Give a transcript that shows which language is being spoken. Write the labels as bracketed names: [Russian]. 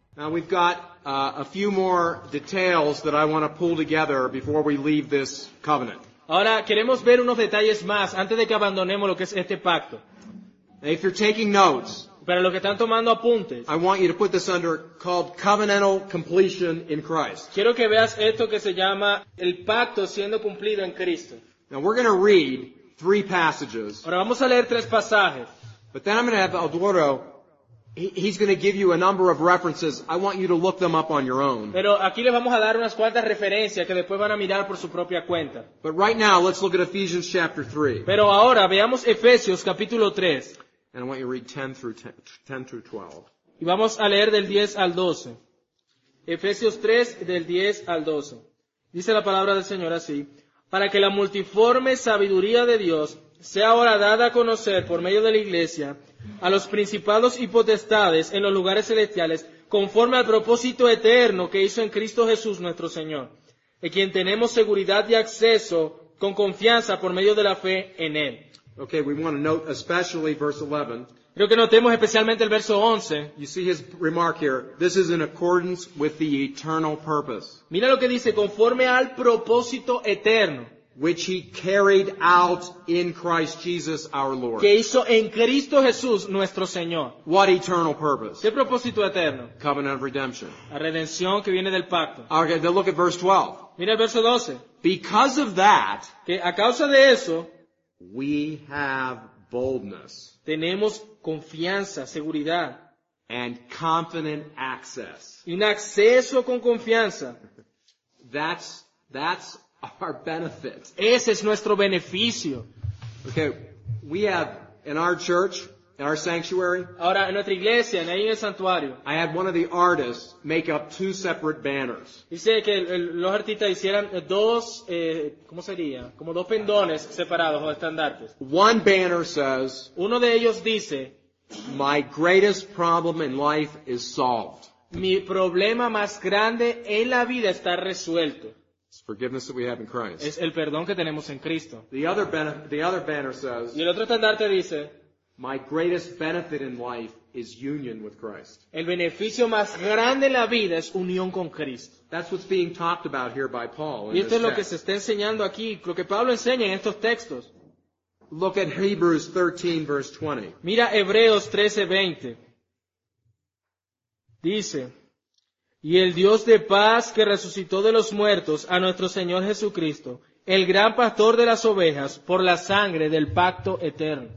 [English] We've got a few more details that I want to pull together before we leave this covenant. [Spanish] Ahora queremos ver unos detalles más antes de que abandonemos lo que es este pacto. [English] If you're taking notes, [Spanish] para los que están tomando apuntes, [English] I want you to put this under called covenantal completion in Christ. [Spanish] Quiero que veas esto que se llama el pacto siendo cumplido en Cristo. [English] Now we're going to read three passages. [Spanish] Ahora vamos a leer tres pasajes. [English] But then I'm going to have Eduardo. He's going to give you a number of references. I want you to look them up on your own. [Spanish] Pero aquí les vamos a dar unas cuantas referencias que después van a mirar por su propia cuenta. [English] But right now, let's look at Ephesians chapter 3. [Spanish] Pero ahora veamos Efesios capítulo 3. [English] And I want you to read 10 through 12. [Spanish] Y vamos a leer del 10 al 12. Efesios 3, del 10 al 12. Dice la palabra del Señor así: para que la multiforme sabiduría de Dios sea ahora dada a conocer por medio de la iglesia a los principados y potestades en los lugares celestiales, conforme al propósito eterno que hizo en Cristo Jesús nuestro Señor, en quien tenemos seguridad y acceso con confianza por medio de la fe en Él. [English] Okay, we want to note especially verse 11. [Spanish] Creo que notemos especialmente el verso 11. [English] You see his remark here. This is in accordance with the eternal purpose. [Spanish] Mira lo que dice, conforme al propósito eterno. [English] Which he carried out in Christ Jesus our Lord. [Spanish] Que hizo en Cristo Jesús nuestro Señor. [English] What eternal purpose? [Spanish] ¿Qué propósito eterno? [English] Covenant of redemption. [Spanish] La redención que viene del pacto. [English] Okay, then look at verse 12. [Spanish] Mira el verso 12. [English] Because of that, [Spanish] que a causa de eso, [English] we have boldness. [Spanish] Tenemos confianza, seguridad. [English] And confident access. [Spanish] Y un acceso con confianza. [English] That's our benefit. [Spanish] Ese es nuestro beneficio. [English] Okay, we have in our church, in our sanctuary. [Spanish] Ahora en nuestra iglesia, ahí en el santuario. [English] I had one of the artists make up two separate banners. [Spanish] Dice que los artistas hicieran dos, ¿cómo sería? Como dos pendones separados o estandartes. [English] One banner says. [Spanish] Uno de ellos dice. [English] My greatest problem in life is solved. [Spanish] Mi problema más grande en la vida está resuelto. [English] Forgiveness that we have in Christ. [Spanish] Es el perdón que tenemos en Cristo. [English] The other banner says. [Spanish] Y el otro estandarte dice. [English] My greatest benefit in life is union with Christ. [Spanish] El beneficio más grande en la vida es unión con Cristo. [English] That's what's being talked about here by Paul. [Spanish] Y esto es lo que se está enseñando aquí, lo que Pablo enseña en estos textos. [English] Look at Hebrews 13 verse 20. [Spanish] Mira Hebreos 13:20. Dice. Y el Dios de paz que resucitó de los muertos a nuestro Señor Jesucristo, el gran pastor de las ovejas, por la sangre del pacto eterno.